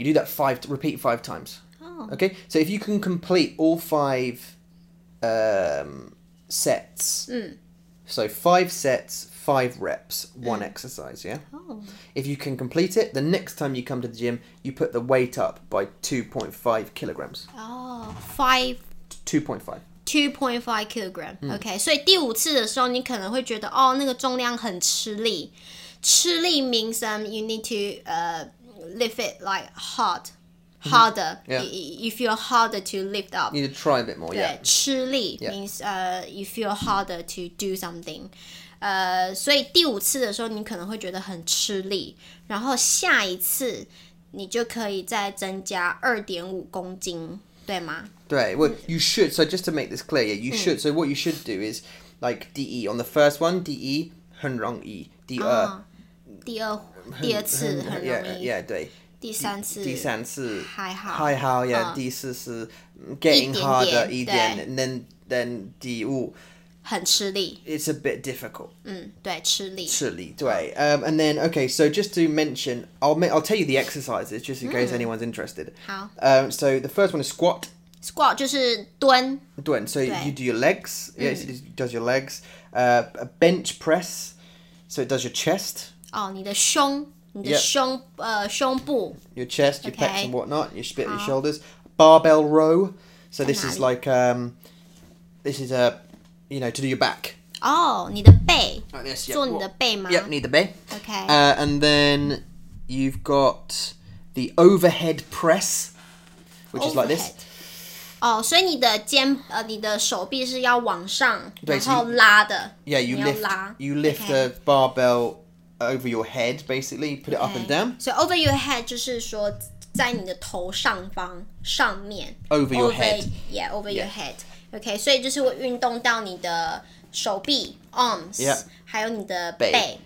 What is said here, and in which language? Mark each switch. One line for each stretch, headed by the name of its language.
English: You do that five, repeat five times. Okay, so if you can complete all five sets, so five sets, five reps, one exercise, yeah? If you can complete it, the next time you come to the gym, you put the weight up by 2.5 kilograms. Oh, five? 2.5 kilograms, okay.
Chinese: 所以第五次的时候你可能会觉得哦，那个重量很吃力。
English: 吃力 means you need to lift it like hard. Harder, you feel harder to lift up. You need to try a bit more, yeah. 吃力 means you feel harder to do something.
Chinese: 所以第五次的时候你可能会觉得很吃力，然后下一次你就可以再增加 2.5 公斤，对吗？
English: 对, well, you should, so just to make this clear, yeah, you should, so what you should do is, like, DE, on the first one, DE,
Chinese: 很容易, 第二次很容易。
English: Yeah, yeah,
Chinese: 对。第三次还好
English: yeah,
Chinese: 第四次
English: getting
Chinese: 一点点
English: harder
Chinese: 一点
English: then
Chinese: 第五很吃力
English: it's a bit difficult
Chinese: 对吃力对、
English: and then okay so just to mention I'll tell you the exercises just in case anyone's interested
Chinese: 好、
English: so the first one is squat
Chinese: 就是蹲
English: so you do your legs yes it does your legs a bench press so it does your chest
Chinese: 哦你的胸你的胸,
English: yep.
Chinese: 胸部
English: your chest, your pecs and whatnot, your spit and your shoulders. Barbell row. So this is like, this is a, you know, to do your back.
Chinese: Oh, 你的背.
English: Like this, yeah.
Chinese: 做你的背吗? Yep, 你的背.
English: Okay. And then you've got the overhead press, which is like this.
Chinese: Oh, 所以你的肩, 你的手臂是要往上, 然后拉的。
English: Yeah, you lift the barbell. Over your head, basically, put it up and down. So over your head
Chinese: 就是说在你的头上方上面
English: Over your head. Yeah, over your head. Okay,
Chinese: 所以就是会运动到你的手臂
English: arms,
Chinese: 还有你的背